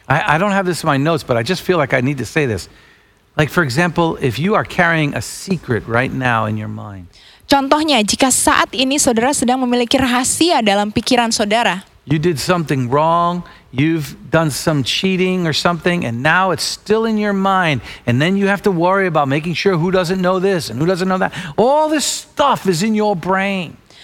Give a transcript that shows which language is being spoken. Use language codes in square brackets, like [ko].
[en] I don't have this in my notes, but I just feel like I need to say this. Like for example, if you are carrying a secret right now in your mind. [id] Contohnya, jika saat ini saudara sedang memiliki rahasia dalam pikiran saudara. [en] You did something wrong, you've done some cheating or something, and now it's still in your mind, and then you have to worry about making sure who doesn't know this and who doesn't know that. All this stuff is in your brain.